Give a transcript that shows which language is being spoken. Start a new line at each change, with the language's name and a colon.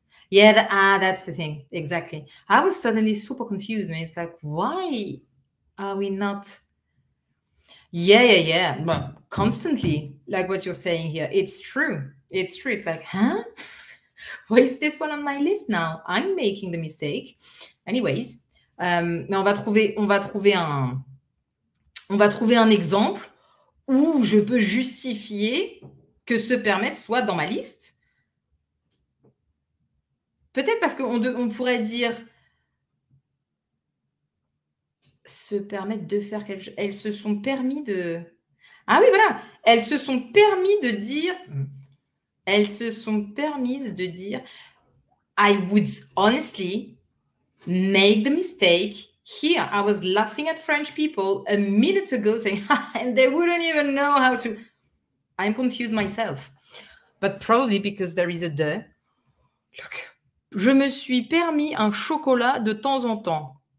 English: That's the thing. Exactly. I was suddenly super confused, and it's like, why are we not? Yeah. But constantly, like what you're saying here, it's true. It's true. It's like, huh? Why is this one on my list now? I'm making the mistake.
French: Anyways, mais on va trouver un exemple où je peux justifier que se permettre soit dans ma liste. Peut-être parce qu'on pourrait dire se permettre de faire quelque chose. Elles se sont permis de. Ah oui, voilà. Elles se sont permis de dire. Elles se sont permises de dire.
English: I would honestly make the mistake. Here, I was laughing at French people a minute ago saying, and they wouldn't even know how to. I'm confused myself, but probably because there is a de.
French: Look, je me suis permis un chocolat de temps en temps.